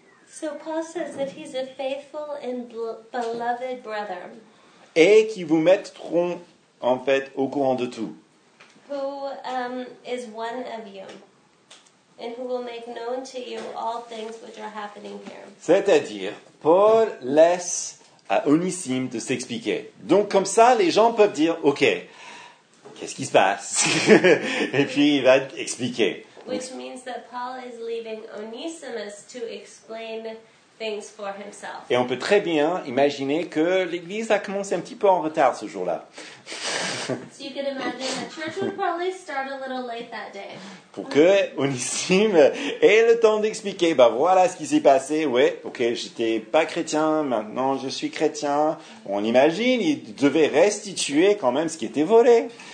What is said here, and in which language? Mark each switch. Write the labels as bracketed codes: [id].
[en] So Paul says that he's a faithful and beloved brother. [fr] Et qui vous mettront, en fait, au courant de tout. [en] Who is one of you. And who will make known to you all things which are happening here. [fr] C'est-à-dire, Paul laisse à Onésime de s'expliquer. Donc, comme ça, les gens peuvent dire, OK, qu'est-ce qui se passe? Et puis, il va expliquer. [en] Which means that Paul is leaving Onesimus to explain things for himself. [fr] Et on peut très bien imaginer que l'église a commencé un petit peu en retard ce jour-là. [en] So you can imagine the church would probably start a little late that day. [fr] Pour que Onésime ait le temps d'expliquer, bah voilà ce qui s'est passé, ouais, ok, j'étais pas chrétien, maintenant je suis chrétien. On imagine, il devait restituer quand même ce qui était volé.